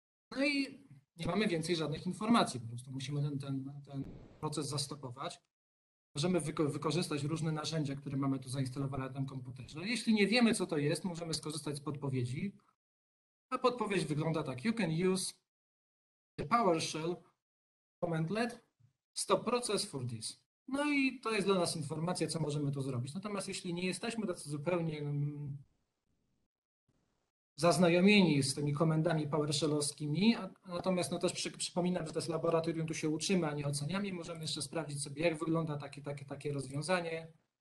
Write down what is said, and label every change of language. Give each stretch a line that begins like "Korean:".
Polish: No i nie mamy więcej żadnych informacji, po prostu musimy ten proces zastopować. Możemy wykorzystać różne narzędzia, które mamy tu zainstalowane na tym komputerze. Jeśli nie wiemy, co to jest, możemy skorzystać z podpowiedzi. A podpowiedź wygląda tak.
English: You can use the PowerShell command let stop process for this.
Polish: No i to jest dla nas informacja, co możemy tu zrobić. Natomiast jeśli nie jesteśmy tacy zupełnie zaznajomieni z tymi komendami PowerShellowskimi, natomiast no też przypominam, że to jest laboratorium, tu się uczymy, a nie oceniamy. Możemy jeszcze sprawdzić sobie, jak wygląda takie rozwiązanie.